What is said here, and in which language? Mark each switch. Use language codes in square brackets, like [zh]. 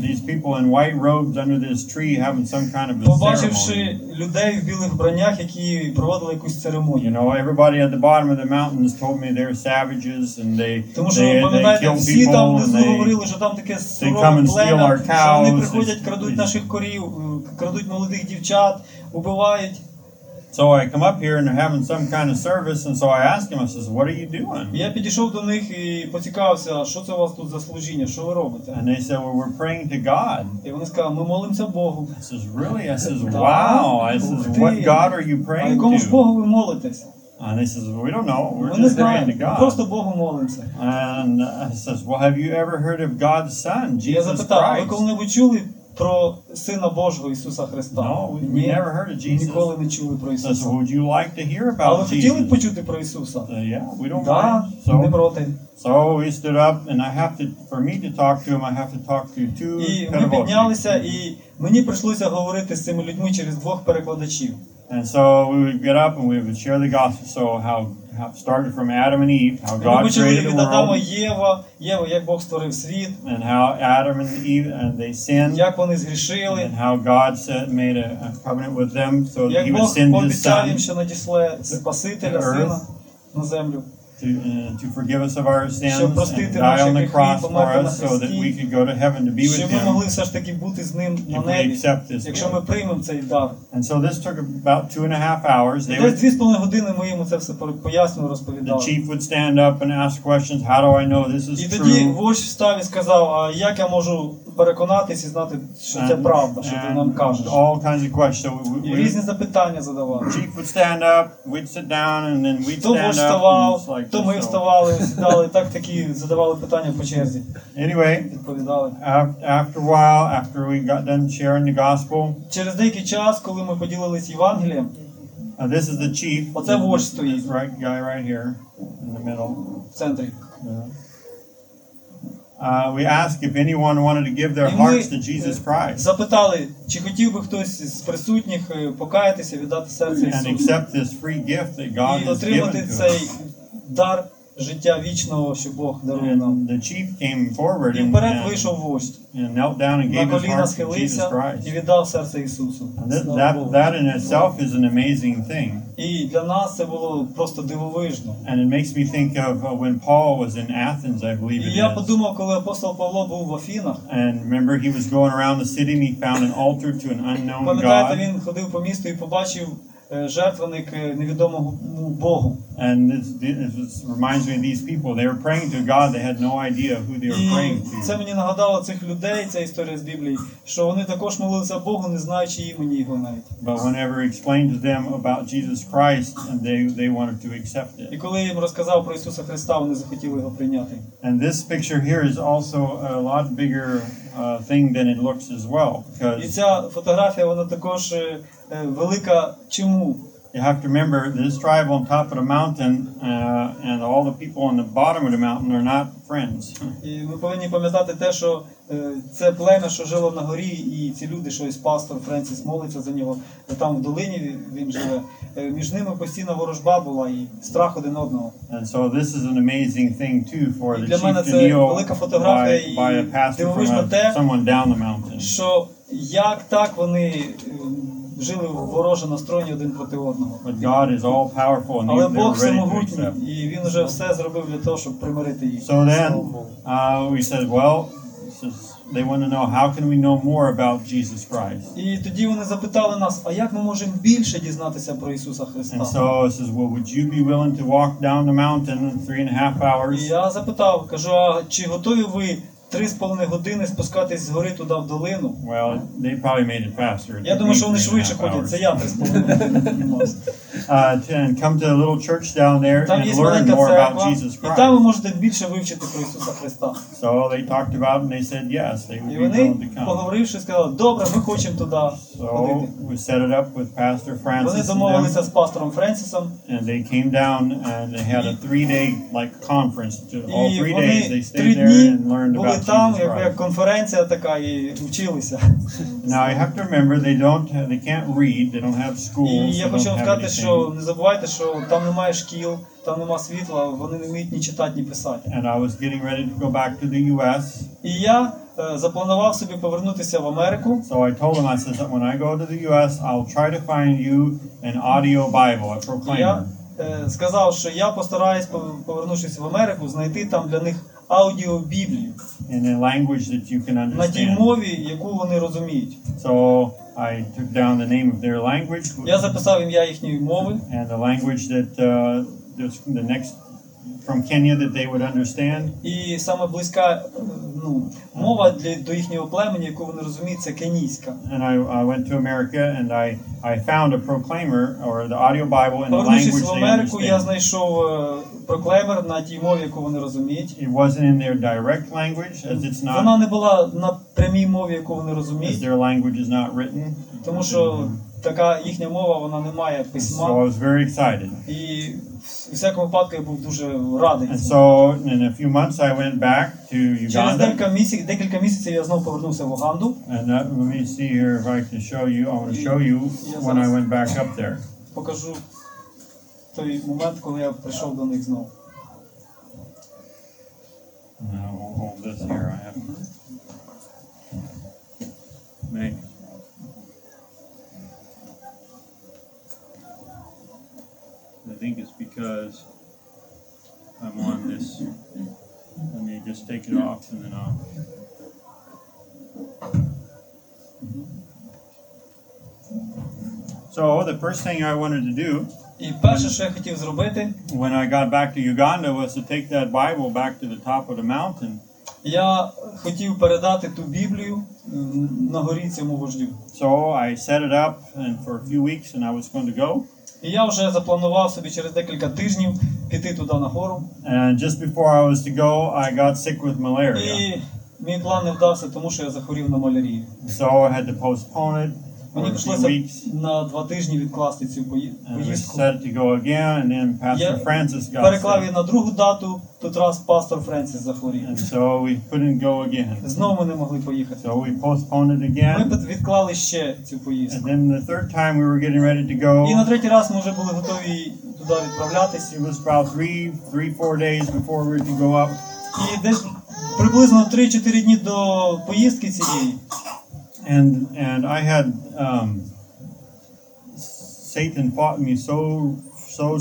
[en] These people in white robes under this tree having some kind of a ceremony. [uk] Побачивши [en] ceremony. [uk] Людей в білих бронях, які проводили якусь церемонію. [en] You know, everybody at the bottom of the mountain has told me they're savages and they [uk] тому що, [en] they [uk] всі там внизу [en] they, [uk] говорили, що там таке суворе племя, що вони приходять, крадуть наших корів, крадуть молодих дівчат, убивають. [en] So I come up here and they're having some kind of service, and so I ask him, I says, what are you doing? [uk] Я підійшов до них і поцікавився, що це у вас тут за служіння, що ви робите? [en] And they said, well, we're praying to God. [uk] І вони сказали, ми молимося Богу. [en] I says, really? I says, wow. I says, what God are you praying to? [uk] А якому Богу ви молитесь? [en] And he says, well, we don't know, we're just praying to God. [uk] Просто Богу молимося. [en] And he says, well, have you ever heard of God's Son, Jesus Christ? [uk] Ви коли-небудь чули про Сина Божого Ісуса Христа? [en] No, we never heard of Jesus. [uk] Ніколи не чули про Ісуса. [en] So, would you like to hear about Jesus? [uk] Але хотіли б почути про Ісуса? [en] Yeah, we don't mind. [uk] Так, не проти. [en] So he stood up, and I have to, for me to talk to him, I have to talk to two [uk] переводчиків. І ми піднялися, і мені прийшлося говорити з цими людьми через двох перекладачів. [en] And so we would get up and we would share the gospel. So how started from Adam and Eve, how God created the world. [uk] Єва, як Бог створив світ. [en] And how Adam and Eve and they sinned. [uk] Як вони згрішили. [en] And how God said, made a covenant with them so that he would send his son. [uk] Як Бог обіцяв їм, що Спасителя, сина на землю. [en] To forgive us of our sins and die on the cross for us so that we could go to heaven to be with him. [uk] Щоб ми могли все ж таки бути з ним на небі. Якщо ми приймемо цей дар. [en] And so this took about 2.5 hours. [uk] Десь 2.5 години ми йому це все пояснювали, розповідали. [en] The chief would stand up and ask questions, how do I know this is true? [uk] І тоді вождь встав і сказав, а як я можу переконатись і знати, що це правда, що ти нам кажеш? [en] All kinds of questions. [uk] І різні запитання задавали. [en] The chief would stand up, we'd sit down, and then we'd stand up. [uk] Хто вставав? То ми вставали, сідали, так такі задавали питання по черзі. [en] Anyway, after a while, after we got done sharing the gospel, [uk] через деякий час, коли ми поділились Євангелієм, [en] this is the chief. [uk] Оце вождь стоїть. [en] This right guy right here in the middle. [uk] В центрі. [en] We asked if anyone wanted to give their hearts to Jesus Christ. [uk] Запитали, чи хотів би хтось з присутніх покаятися, віддати серце Ісусу. [en] And accept this free gift that God has given to us. [uk] Дар життя вічного, що Бог дарує нам. [en] The chief came forward and [uk] вперед вийшов вождь. [en] And knelt down and gave his heart to Jesus [uk] Christ. І віддав серце Ісусу. [en] That in itself is an amazing thing. [uk] І для нас це було просто дивовижно. [en] And it makes me think of when Paul was in Athens, I believe it is. [uk] Я подумав, коли апостол Павло був в Афінах. [en] And remember he was going around the city and he found an altar to an unknown god. [uk] Пам'ятаєте, він ходив по місту і побачив жертвенник невідомому Богу. [en] And this reminds me of these people. They were praying to God. They had no idea who they were praying to. [uk] Це мені нагадало цих людей, ця історія з Біблії, що вони також молилися Богу, не знаючи імені Його навіть. [en] But whenever I explained to them about Jesus Christ, they wanted to accept it. [uk] І коли я їм розказав про Ісуса Христа, вони захотіли Його прийняти. [en] And this picture here is also a lot bigger thing than it looks as well. [uk] І ця фотографія, вона також велика чому? [en] You have to remember this tribe on top of the mountain and all the people on the bottom of the mountain are not friends. [uk] І ми повинні пам'ятати те, що це племя, що жило на горі, і ці люди, що ось пастор Френсіс молиться за нього, там в долині він живе, між ними постійна ворожба була і страх один одного. [en] And so this is an amazing thing too for the chief to kneel. [uk] Для мене це велика фотографія і дивовижно те, [en] someone down the mountain. [uk] Що як так вони жили в вороже настроєнні один проти одного. [en] But God is all powerful and [uk] Але Бог всемогутній, і він вже все зробив для того, щоб примирити їх. [en] So then, we said, well, they want to know how can we know more about Jesus Christ. [uk] І тоді вони запитали нас, а як ми можемо більше дізнатися про Ісуса Христа? [en] And so he says, well, would you be willing to walk down the mountain in 3.5 hours? [uk] І я запитав, кажу, а чи готові ви 3.5 години спускатись згори туди в долину. [en] Well, they probably made it faster. [uk] Я думаю, що вони швидше ходять. Це я 3.5 години. [en] Come to a little church down there and learn more about Jesus Christ. [uk] І там ви можете більше вивчити про Ісуса Христа. [en] So they talked about and they said yes, they would be willing to come. [uk] І вони, поговоривши, сказали, добре, ми хочемо туди ходити. [en] So we set it up with Pastor Francis. [uk] Вони домовилися з пастором Френсісом. [en] And they came down and they had a 3-day like conference. All 3 days they stayed there and learned about. [uk] Там як конференція така і вчилися. [en] Now you have to remember they can't read, they don't have school. [uk] І я хочу сказати, що не забувайте, що там немає шкіл, там немає світла, вони не вміють ні читати, ні писати. [en] And I was getting ready to go back to the US. [uk] І я запланував собі повернутися в Америку. [en] So I told them, I said that when I go to the US, I'll try to find you an audio Bible, a proclaimer. [uk] Я сказав, що я постараюсь, повернувшись в Америку, знайти там для них аудіо Біблію. [en] In a language that you can understand. [uk] На тій мові, яку вони розуміють. [en] So I took down the name of their language. [uk] Я записав ім'я їхньої мови. [en] And the language that there's the next from Kenya that they would understand. [uk] І саме близька, ну, мова для до їхнього племені, яку вони розуміють, це кенійська. [en] And I went to America and I found a proclaimer or the audio Bible in the language they understand. [uk] Повернувшись в Америку, я знайшов проклеймер на тій мові, яку вони розуміють. [en] It wasn't in their direct language, as it's not. [uk] Вона не була на прямій мові, яку вони розуміють. [en] As their language is not written. [uk] Тому що така їхня мова, вона не має письма. [en] So I was very excited. [uk] І в всякому випадку я був дуже радий. [en] And so in a few months I went back to Uganda. [uk] Через декілька місяців я знову повернувся в Уганду. [en] And that, let me see here if I can show you. I want to show you when I went back up there. [uk] Покажу той момент, коли я прийшов до них знову. [en] Now we'll hold this here. I have I think it's because I'm on this. Let me just take it off and then I'll. So the first thing I wanted to do. [uk] І перше, що я хотів зробити, [en] when I got back to Uganda, was to take that Bible back to the top of the mountain. [uk] Я хотів передати ту Біблію на горі цьому вождю. [en] So I set it up and for a few weeks and I was going to go. [uk] І я вже запланував собі через декілька тижнів піти туди на гору. [en] And just before I was to go, I got sick with malaria. [uk] І мій план не вдався, тому що я захворів на малярію. [en] So I had to postpone it. [uk] Мені прийшлося на два тижні відкласти цю поїздку. Переклав її на другу дату, тут раз пастор Френсіс захворів. [en] And so we couldn't go again. [uk] Знову ми не могли поїхати. [en] So we postponed it again. [uk] Ми відклали ще цю поїздку. [en] And then the third time we were getting ready to go. [uk] І на третій раз ми вже були готові туди відправлятися. [en] It was about three, four days before we were to go up. [uk] І десь приблизно 3-4 дні до поїздки цієї. [en] And I had Satan fought me so terribly in my mind.